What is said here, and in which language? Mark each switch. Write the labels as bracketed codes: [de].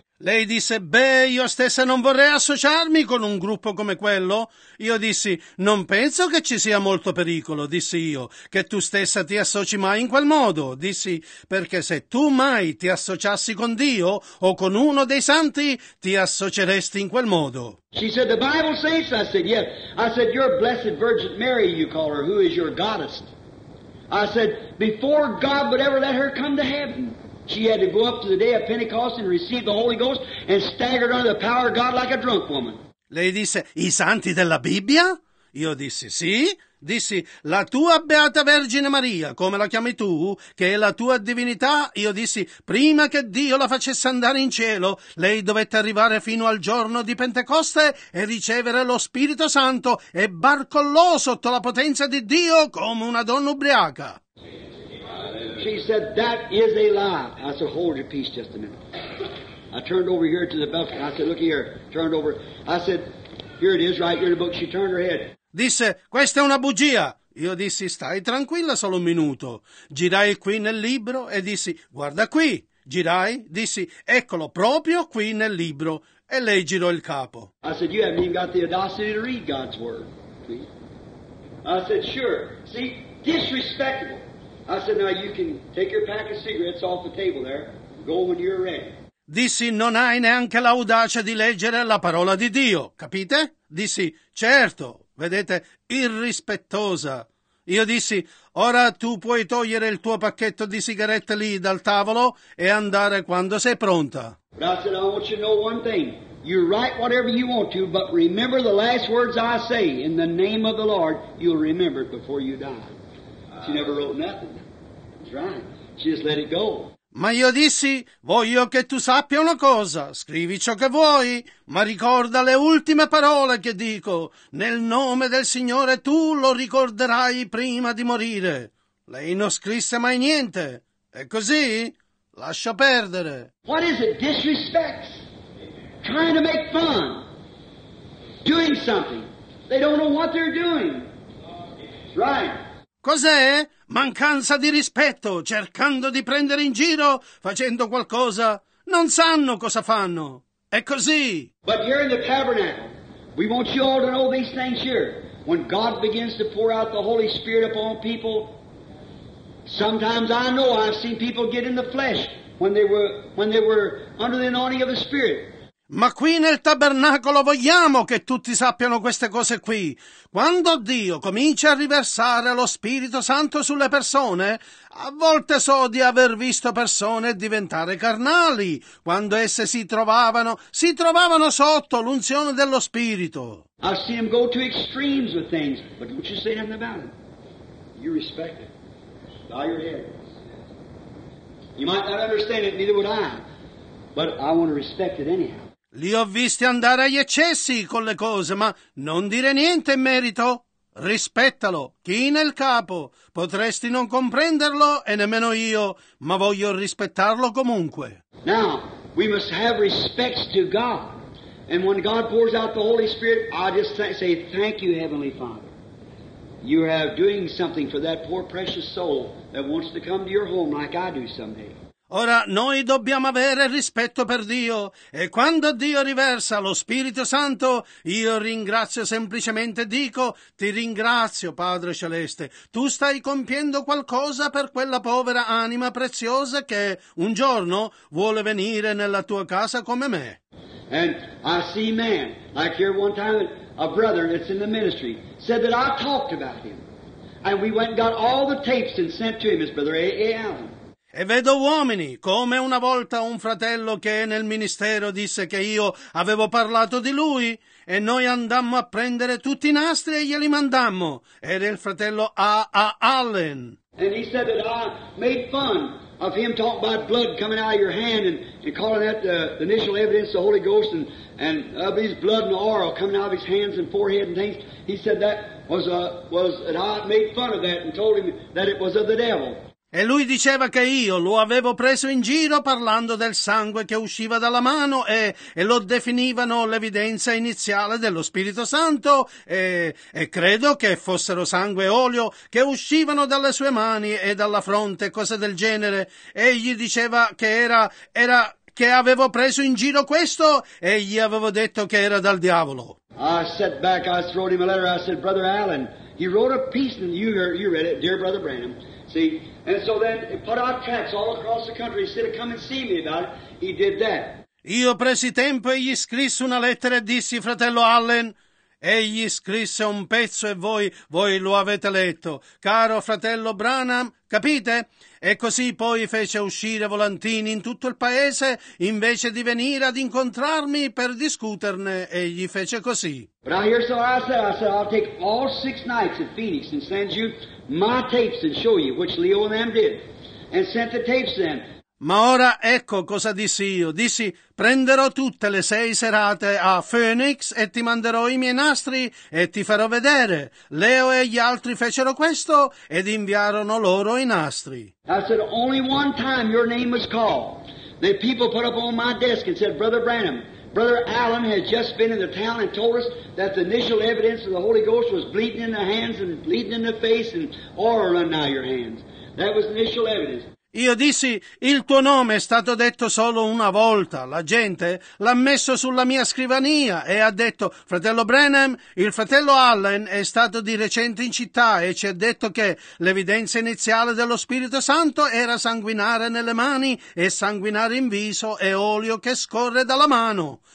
[it] Lei disse: beh, io stessa non vorrei associarmi con un gruppo come quello. Io dissi: non penso che ci sia molto pericolo, dissi io, che tu stessa ti associ mai in quel modo, dissi, perché se tu mai ti associassi con Dio o con uno dei santi, ti associeresti in quel modo. [en] She said, the Bible says, I said, yes. I said, your blessed Virgin Mary, you call her, who is your goddess. I said, before God would ever let her come to heaven, she had to go up to the day of Pentecost and receive the Holy Ghost and staggered under the power of God like a drunk woman. [it] Lei disse, i santi della Bibbia? Io dissi, sì. Dissi, la tua beata Vergine Maria, come la chiami tu, che è la tua divinità, io dissi, prima che Dio la facesse andare in cielo, lei dovette arrivare fino al giorno di Pentecoste e ricevere lo Spirito Santo e barcollò sotto la potenza di Dio come una donna ubriaca. [en] She said, that is a lie. I said, hold your peace just a minute. I turned over here to the book. I said, look here. Turned over. I said, here it is, right here in the book. She turned her head. [it] Disse, questa è una bugia. Io dissi, stai tranquilla solo un minuto. Girai qui nel libro e dissi, guarda qui. Girai, dissi, eccolo proprio qui nel libro. E lei girò il capo. [en] I said, you haven't even got the audacity to read God's word. I said, sure. See, disrespectful. I said, now you can take your pack of cigarettes off the table there. Go when you're ready. [it] Dissi, non hai neanche l'audacia di leggere la parola di Dio, capite? Dissi, certo. Vedete, irrispettosa. Io dissi, ora tu puoi togliere il tuo pacchetto di sigarette lì dal tavolo e andare quando sei pronta. [en] But I said, I want you to know one thing. You write whatever you want to, but remember the last words I say in the name of the Lord. You'll remember it before you die. She never wrote nothing. That's right. She just let it go. [it] Ma io dissi, voglio che tu sappia una cosa, scrivi ciò che vuoi, ma ricorda le ultime parole che dico, nel nome del Signore tu lo ricorderai prima di morire. Lei non scrisse mai niente, e così lascia perdere. [en] What is it? Disrespects. Trying to make fun. Doing something. They don't know what they're doing. Right. [it] Cos'è? Mancanza di rispetto, cercando di prendere in giro, facendo qualcosa. Non sanno cosa fanno. È così. [en] But here in the tabernacle, we want you all to know these things here. When God begins to pour out the Holy Spirit upon people, sometimes I know I've seen people get in the flesh when they were under the anointing of the Spirit. [it] Ma qui nel tabernacolo vogliamo che tutti sappiano queste cose qui. Quando Dio comincia a riversare lo Spirito Santo sulle persone, a volte so di aver visto persone diventare carnali, quando esse si trovavano sotto l'unzione dello Spirito. [en] I see them go to extremes with things, but don't you say nothing about it. You respect it. Bow your head. You might not understand it, neither would I, but I want to respect it anyhow. [it] Li ho visti andare agli eccessi con le cose, ma non dire niente in merito. Rispettalo, china il capo. Potresti non comprenderlo e nemmeno io, ma voglio rispettarlo comunque. [en] Now, we must have respect to God. And when God pours out the Holy Spirit, I just say, thank you, Heavenly Father. You are doing something for that poor precious soul that wants to come to your home like I do someday. [it] Ora, noi dobbiamo avere rispetto per Dio, e quando Dio riversa lo Spirito Santo, io ringrazio semplicemente, dico, ti ringrazio, Padre Celeste, tu stai compiendo qualcosa per quella povera anima preziosa che un giorno vuole venire nella tua casa come me. [en] And I see man, like here one time, a brother that's in the ministry, said that I talked about him, and we went and got all the tapes and sent to him, his brother A. A. Allen. [it] E vedo uomini, come una volta un fratello che nel ministero disse che io avevo parlato di lui, e noi andammo a prendere tutti i nastri e glieli mandammo. Era il fratello A. A. Allen. [en] And he said that I made fun of him talking about blood coming out of your hand and calling that the initial evidence of the Holy Ghost and of his blood and aura coming out of his hands and forehead and things. He said that was that I made fun of that and told him that it was of the devil. [it] E lui diceva che io lo avevo preso in giro parlando del sangue che usciva dalla mano e lo definivano l'evidenza iniziale dello Spirito Santo e credo che fossero sangue e olio che uscivano dalle sue mani e dalla fronte, cose del genere. Egli diceva che era che avevo preso in giro questo e gli avevo detto che era dal diavolo. [en] I sat back, I wrote him a letter, I said, Brother Allen, he wrote a piece and you read it, dear Brother Branham. See, and so then he put out tracts all across the country. Instead of coming and see me about it, he did that. [it] Io presi tempo e gli scrissi una lettera e dissi, fratello Allen. Egli scrisse un pezzo e voi lo avete letto. Caro fratello Branham, capite? E così poi fece uscire volantini in tutto il paese invece di venire ad incontrarmi per discuterne. Egli fece così. [en] But I hear so I said, I'll take all six nights at Phoenix and send you my tapes and show you, which Leo and them did, and sent the tapes to them. [it] Ma ora ecco cosa dissi io. Dissi, prenderò tutte le sei serate a Phoenix e ti manderò i miei nastri e ti farò vedere. Leo e gli altri fecero questo ed inviarono loro i nastri. [en] I said, only one time your name was called. The people put up on my desk and said, Brother Branham, Brother Allen had just been in the town and told us that the initial evidence of the Holy Ghost was bleeding in the hands and bleeding in the face and aura running out of your hands. That was the initial evidence. [it] Io dissi, il tuo nome è stato detto solo una volta, la gente l'ha messo sulla mia scrivania e ha detto, fratello Branham, il fratello Allen è stato di recente in città e ci ha detto che l'evidenza iniziale dello Spirito Santo era sanguinare nelle mani e sanguinare in viso e olio che scorre dalla mano.